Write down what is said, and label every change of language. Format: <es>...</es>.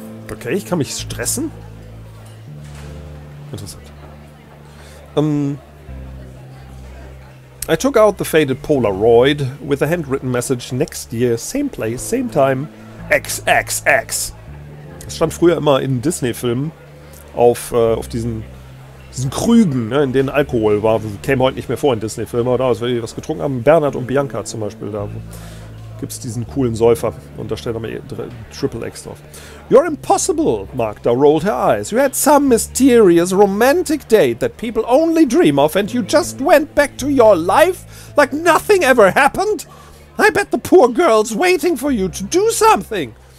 <de>Okay, ich kann mich stressen. Interessant.</de> <en>I took out the faded Polaroid with a handwritten message next year, same place, same time. XXX.</en> <de>Es stand früher immer in Disney-Filmen auf diesen Krügen, ne, in denen Alkohol war. Das käme heute nicht mehr vor in Disney-Filmen, aber da, als wir was getrunken haben, Bernhard und Bianca zum Beispiel, da gibt es diesen coolen Säufer und da steht nochmal XXX drauf.</de> <en>You're impossible, Magda rolled her eyes. You had some mysterious romantic date that people only dream of and you just went back to your life like nothing ever happened? I bet the poor girl's waiting for you to do something.</en>